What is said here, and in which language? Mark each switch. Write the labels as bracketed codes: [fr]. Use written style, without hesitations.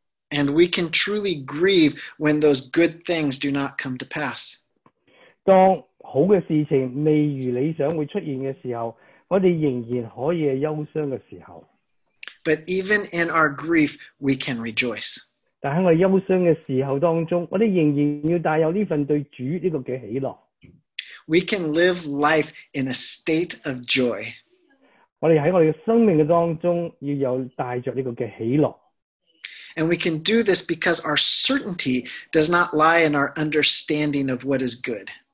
[en] And we can truly grieve when those good things do not come to pass. [zh] 当好的事情未如理想会出现的时候, 我们仍然可以忧伤的时候。 [en] But even in our grief, we can rejoice. [zh] 但在我们忧伤的时候当中, 我们仍然要带有这份对主这个的喜乐。 [en] We can live life in a state of joy. [zh] 我们在我们生命当中要有带着这个的喜乐。 [en] And we can do this because our certainty does not lie in our understanding of what is good.